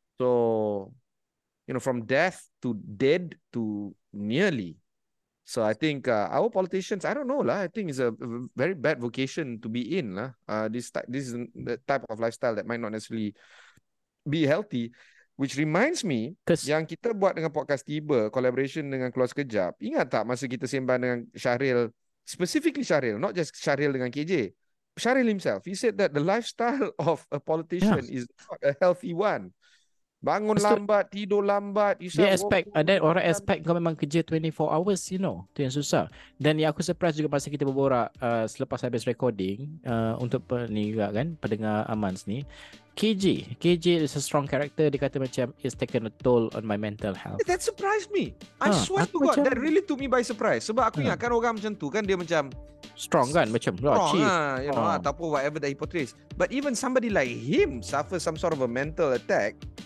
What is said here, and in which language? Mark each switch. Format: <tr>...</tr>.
<en>So you know, from death to dead to nearly. So I think our politicians, I don't know lah. I think it's a very bad vocation to be in lah. This is the type of lifestyle that might not necessarily be healthy.</en> <ms>Which reminds me, yang kita buat dengan podcast Tiba, collaboration dengan Keluar Sekejap. Ingat tak masa kita sembang dengan Syahril,</ms> <en>specifically Syahril, not just Syahril</en> <ms>dengan KJ.</ms> <en>Syahril himself, he said that the lifestyle of a politician is not a healthy one.</en> <ms>Bangun lambat, tidur lambat. Dia expect, then orang expect kau memang kerja 24 hours,</ms> <en>you know.</en> <ms>Itu yang susah. Dan yang aku surprise juga masa kita berborak selepas habis recording untuk ni juga kan, pendengar Amans ni.</ms> <en>KJ is a strong character.</en> <ms>Dia kata macam,</ms> <en>it's taken a toll on my mental health. That surprised me. I swear to God, that really took me by surprise.</en> <ms>Sebab aku ingatkan orang macam tu kan, dia macam strong kan, macam</ms> <en>strong lah, you know, ataupun whatever that he portrays. But even somebody like him suffer some sort of a mental attack.</en>